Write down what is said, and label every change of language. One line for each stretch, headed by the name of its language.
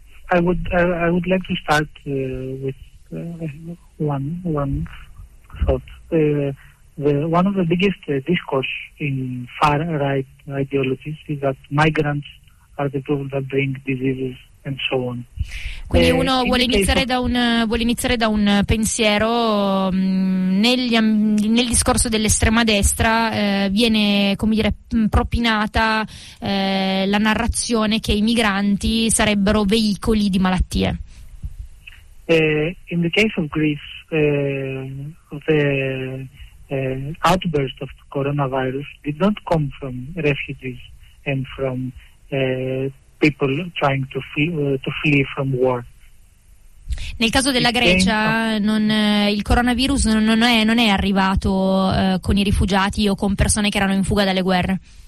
English: I would like to start with one thought. One of the biggest discourse in far right ideologies is that migrants are the people that bring diseases and so on.
Italian: Quindi uno vuole iniziare da un pensiero nel discorso dell'estrema destra, viene, come dire, propinata la narrazione che i migranti sarebbero veicoli di malattie.
English: In the case of Greece, the outburst of coronavirus did not come from refugees and from people trying to flee from war.
Italian: Nel caso della Grecia, il coronavirus non è arrivato con i rifugiati o con persone che erano in fuga dalle guerre.